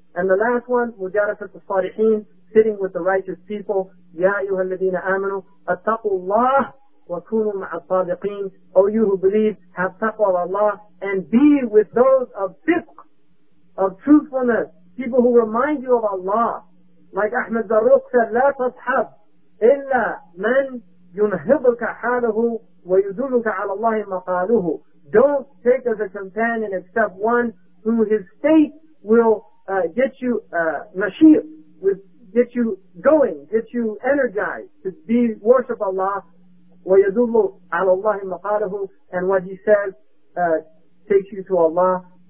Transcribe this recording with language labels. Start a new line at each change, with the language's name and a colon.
English: And the last one,
Arabic: مُجَارَفَةُ الصَّالِحِينَ,
English: sitting with the righteous people,
Arabic: يَا أَيُّهَا الَّذِينَ آمَنُوا أَتَّقُوا اللَّهَ وَكُونُوا مَعَ الصَّادِقِينَ.
English: O you who believe, have taqwa of Allah, and be with those of fiqh, of truthfulness, people who remind you of Allah. Like Ahmed Zarruq said,
Arabic: لَا تَصْحَبْ إِلَّا مَنْ يُنْهِضُكَ حَالَهُ وَيُدُلُكَ عَلَى اللَّهِ مَقَالُهُ.
English: Don't take as a companion except one who his state will get you mashir, with get you going, get you energized to be worship Allah,
Arabic: wa yadullu ala Allahi maqalahu,
English: and what he says takes you to Allah.